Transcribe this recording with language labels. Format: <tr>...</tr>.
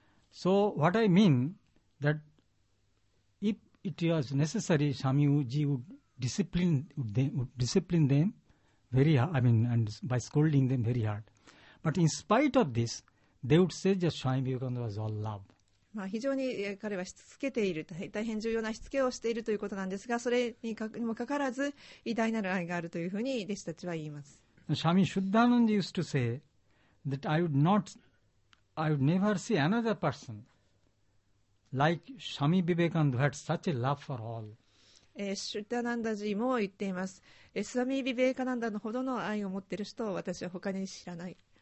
<en>So what I mean, that if it was necessary, Swamiji would discipline them and by scolding them very hard. But in spite of this, they would say that Swami Vivekananda was all love.</en> <ja>まあ、非常に彼はしつけている、大変重要なしつけをしているということなんですが、それにもかかわらず、偉大なる愛があるというふうに弟子たちは言います。</ja> <en>シャミ・シュッダナンディ used to say that I would never see another person like Swami Vivekananda who had such a love for all.</en> <ja>シュッダナンダジも言っています。スワミ・ヴィヴェカナンダのほどの愛を持っている人を私は他に知らない。</ja>